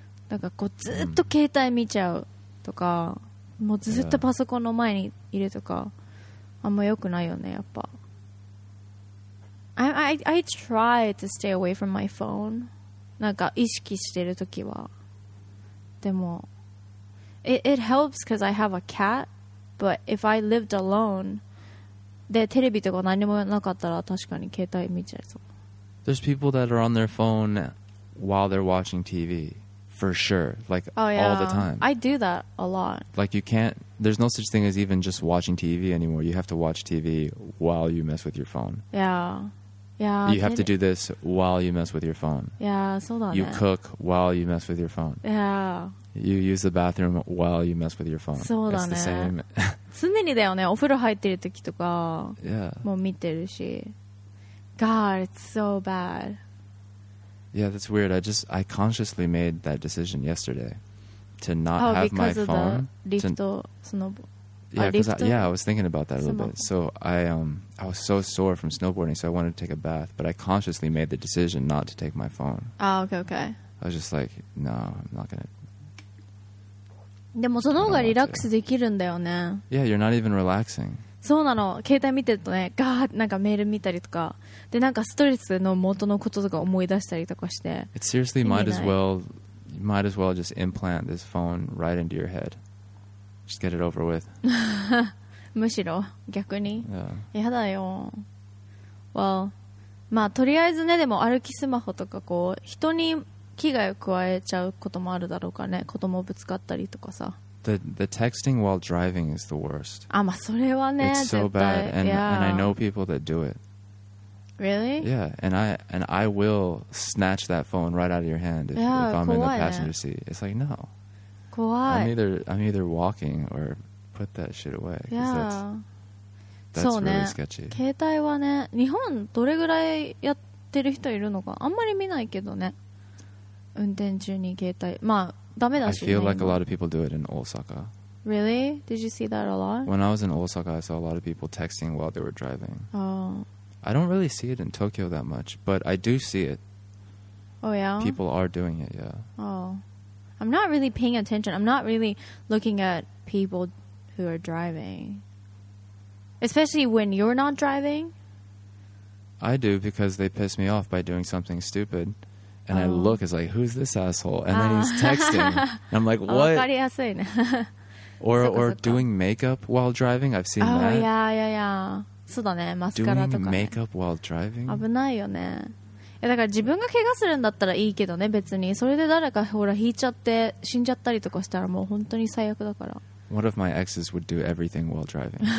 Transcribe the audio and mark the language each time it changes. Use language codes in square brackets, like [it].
[ja] なんかこうずっと携帯見ちゃうとか、もうずっとパソコンの前にいるとか、あんま良くないよねやっぱ。 [en] I try to stay away from my phone. [ja] なんか意識してるときは。でも [en] It helps because I have a cat. But if I lived alone [ja] で、テレビとか何もなかったら確かに携帯見ちゃいそう。 [en] There's people that are on their phone while they're watching TV, for sure, like、 oh, yeah. all the time. I do that a lot. Like you can't, there's no such thing as even just watching TV anymore. You have to watch TV while you mess with your phone. Yeah. Yeah. You have to do this while you mess with your phone. [ja] Yeah, そうだね。 [en] You cook while you mess with your phone. Yeah. You use the bathroom while you mess with your phone. [ja] そうだね。 [en] It's the same. [ja] 常にだよね。お風呂入ってる時とか、もう見てるし。 [en] God, it's so bad. Yeah, that's weird. I consciously made that decision yesterday. to not have my phone. Yeah, I was thinking about that a little bit. So I was so sore from snowboarding, so I wanted to take a bath, but I consciously made the decision not to take my phone. Ah, okay, okay. I was just like, no, I'm not gonna. [ja] でもその方がリラックスできるんだよね。 [en] Yeah, you're not even relaxing. [ja] そうなの。携帯見てるとね、ガーッなんかメール見たりとか、でなんかストレスの元のこととか思い出したりとかして。 [en] It seriously might as well just implant this phone right into your head. Just get it over with. [ja] むしろ逆に。 [en] Yeah. [ja] やだよ。 Well, まあとりあえずね、でも歩きスマホとかこう人に。危害を加えちゃうこともあるだろうかね。子供ぶつかったりとかさ。 [en] The texting while driving is the worst. [ja] あ、まあそれはね、絶対。 [en] It's so bad, and I know people that do it. Really? Yeah, and I will snatch that phone right out of your hand if I'm in the passenger seat. It's like, no. [ja] 怖い。 [en] I'm either walking or put that shit away. Yeah. That's really sketchy. [ja] 携帯はね、日本どれぐらいやってる人いるのか、あんまり見ないけどね。運転中に携帯、まあダメだし。 [en] I feel like a lot of people do it in Osaka. Really? Did you see that a lot? When I was in Osaka, I saw a lot of people texting while they were driving. Oh. I don't really see it in Tokyo that much, but I do see it. Oh yeah. People are doing it, yeah. Oh, I'm not really paying attention. I'm not really looking at people who are driving, especially when you're not driving. I do because they piss me off by doing something stupid. And I look, it's like, who's this asshole? And then he's texting. And I'm like, what? [ja] わかりやすいね。 [en] Or doing makeup while driving. I've seen that. Oh, yeah, yeah, yeah. [ja] そうだね、マスカラとかね。 [en] Doing makeup while driving? [ja] 危ないよね。いや、だから自分が怪我するんだったらいいけどね、別に。それで誰かほら、引いちゃって死んじゃったりとかしたらもう本当に最悪だから。 [en] What if my exes would do everything while driving?